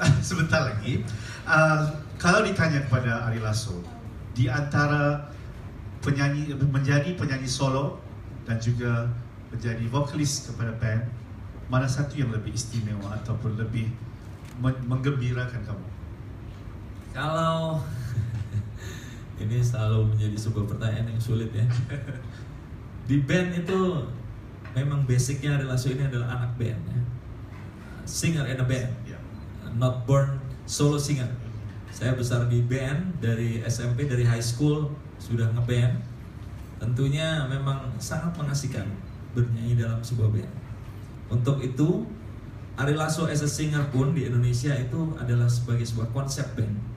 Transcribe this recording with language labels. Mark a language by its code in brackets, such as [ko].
[ms] Sebentar lagi. Kalau ditanya kepada Ari Lasso, di antara penyanyi, menjadi penyanyi solo dan juga menjadi vokalis kepada band, mana satu yang lebih istimewa ataupun lebih menggembirakan kamu? [id] Kalau ini selalu menjadi sebuah pertanyaan yang sulit ya. Di band itu memang basicnya relasi ini adalah anak band ya. [en] Singer in a band, not born solo singer. [id] Saya besar di band dari SMP, dari [en] high school [id] sudah ngeband. Tentunya memang sangat mengasihkan bernyanyi dalam sebuah band. Untuk itu, Ari Lasso [en] as a singer [id] pun di Indonesia itu adalah sebagai sebuah konsep band.